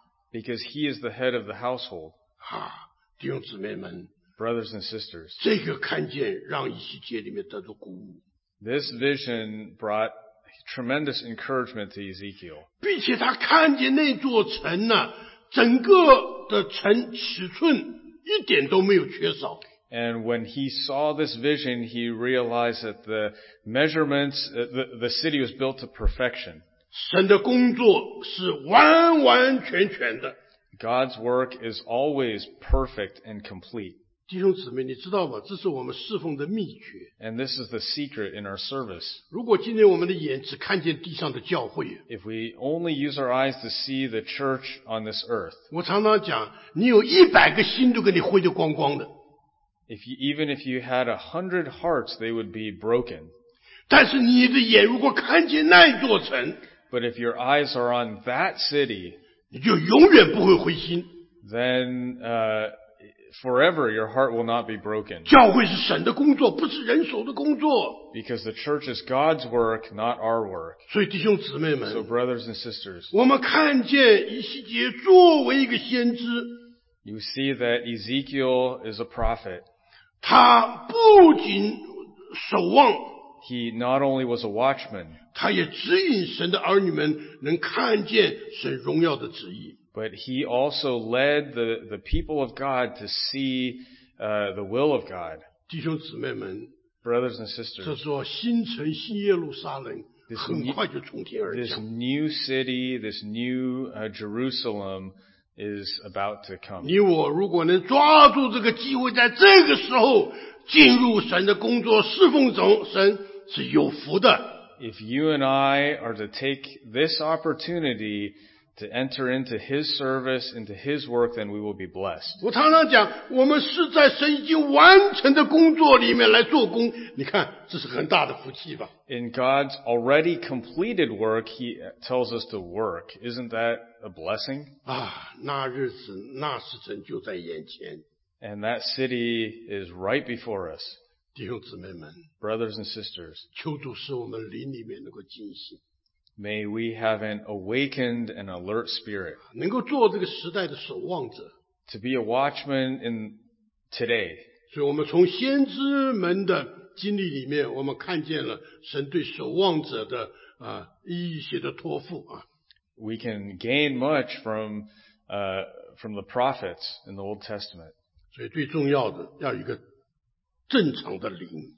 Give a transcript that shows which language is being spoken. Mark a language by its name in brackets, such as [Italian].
[English] Because he is the head of the household. [Chinese] 啊, 弟兄姊妹们, [English] Brothers and sisters, [Chinese] 这个看见让以西结里面得到鼓舞。 [English] This vision brought tremendous encouragement to Ezekiel. [Chinese] 并且他看见那座城呢、啊，整个的城尺寸一点都没有缺少。 [English] And when he saw this vision, he realized that the measurements, the city was built to perfection. [Chinese] 神的工作是完完全全的。 [English] God's work is always perfect and complete. [Chinese] 弟兄姊妹，你知道吗？这是我们侍奉的秘诀。 [English] And this is the secret in our service. [Chinese] 如果今天我们的眼只看见地上的教会， [English] If we only use our eyes to see the church on this earth, [Chinese] 我常常讲，你有一百个心都给你挥得光光的。 [English] If you, even if you had 100 hearts, they would be broken. [Chinese] 但是你的眼如果看见那一座城， [English] But if your eyes are on that city, [Chinese] 你就永远不会灰心。 [English] Then, forever, your heart will not be broken. [Chinese] 教会是神的工作，不是人手的工作。 [English] Because the church is God's work, not our work. [Chinese] 所以弟兄姊妹们， [English] So brothers and sisters, [Chinese] 我们看见以西结作为一个先知。 [English] You see that Ezekiel is a prophet. [Chinese] 他不仅守望， [English] He not only was a watchman, [Chinese] 他也指引神的儿女们能看见神荣耀的旨意。 [English] But he also led the people of God to see the will of God. [Chinese] 弟兄姊妹们， [English] Brothers and sisters, [Chinese] 这座新城新耶路撒冷很快就从天而降。 [English] This new city, this new Jerusalem,is about to come. [Chinese] 你我如果能抓住这个机会在这个时候进入神的工作侍奉中，神是有福的。 [English] If you and I are to take this opportunity to enter into his service, into his work, then we will be blessed. [Chinese] 我常常讲，我们是在神已经完成的工作里面来做工，你看，这是很大的福气吧。 [English] In God's already completed work, he tells us to work. Isn't that a blessing? [Chinese] 啊，那日子，那时辰就在眼前。 [English] And that city is right before us. [Chinese] 弟兄姊妹们， [English] Brothers and sisters, [Chinese] 求主使我们灵里面能够惊醒。 [English] May we have an awakened and alert spirit. [Chinese] 能够做这个时代的守望者。 [English] To be a watchman in today. [Chinese] 所以我们从先知们的经历里面，我们看见了神对守望者的一些的托付啊。 [English] We can gain much from the prophets in the Old Testament. [Chinese] 所以最重要的要有一个正常的灵。